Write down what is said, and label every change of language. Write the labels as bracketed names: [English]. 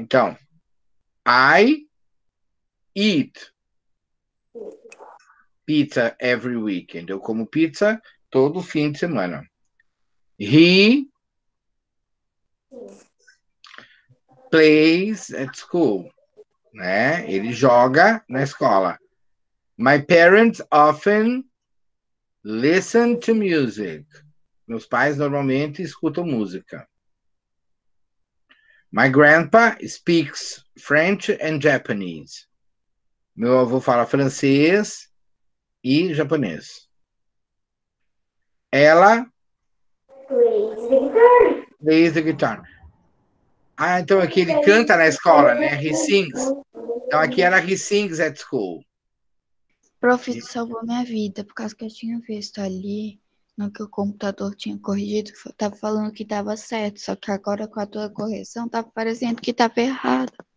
[Portuguese] Então, [English] I eat pizza every weekend. [Portuguese] Eu como pizza todo fim de semana. [English] He plays at school. [Portuguese] Né? Ele joga na escola. [English] My parents often listen to music. [Portuguese] Meus pais normalmente escutam música. [English] My grandpa speaks French and Japanese. [Portuguese] Meu avô fala francês e japonês. Ela [English] plays the guitar. [Portuguese] Ah, então aqui ele canta na escola, né? [English] He sings. [Portuguese] Então aqui ela [English] he sings at school. [Portuguese] Prof, isso salvou minha vida, por causa que eu tinha visto ali no que o computador tinha corrigido, tava falando que tava certo, só que agora com a tua correção tava parecendo que tava errado.